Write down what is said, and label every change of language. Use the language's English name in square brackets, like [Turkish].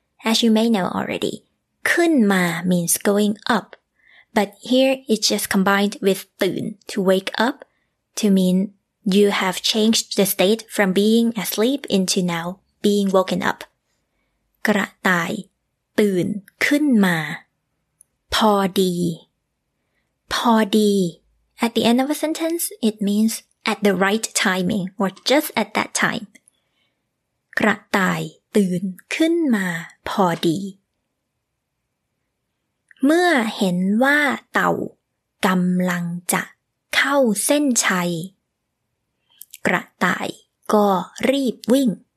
[English] as you may know already [Thai] ขึ้นมา [English] means going up but here it's just combined with [Thai] ตื่น [English] to wake up to meanYou have changed the state from being asleep into now being woken up. [Thai] กระต่ายตื่นขึ้นมาพอดีพอดี [English] At the end of a sentence, it means at the right timing or just at that time. [Thai] กระต่ายตื่นขึ้นมาพอดีเมื่อเห็นว่าเต่ากำลังจะเข้าเส้นชัยกระต่ายก็รีบวิ่ง